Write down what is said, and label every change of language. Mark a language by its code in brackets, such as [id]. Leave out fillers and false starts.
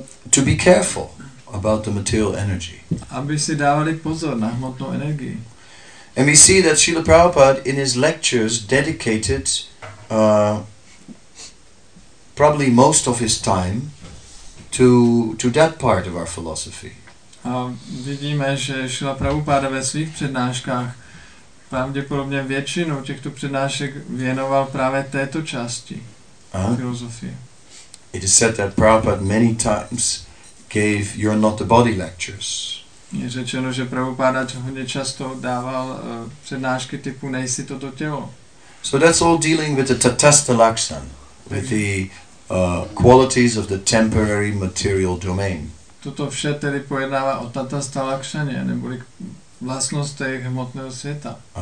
[en] To be careful about the material energy. [cs] Aby si dávali pozor na hmotnou energii. [en] And we see that Srila Prabhupada in his lectures dedicated probably most of his time to that part of our philosophy. [cs] A vidíme, že Srila Prabhupada ve svých přednáškách pravděpodobně většinu těchto přednášek věnoval právě této části filozofie. [en] It is said that Prabhupada many times gave "You're not the body" lectures. [cs] Je řečeno, že Prabhupada hodně často dával přednášky typu "Nejsi toto tělo." [en] So that's all dealing with the tatastha lakshan, with the qualities of the temporary material domain. [cs] Toto vše tedy pojednává o tatastha lakshaně, neboli vlastnostech hmotného světa.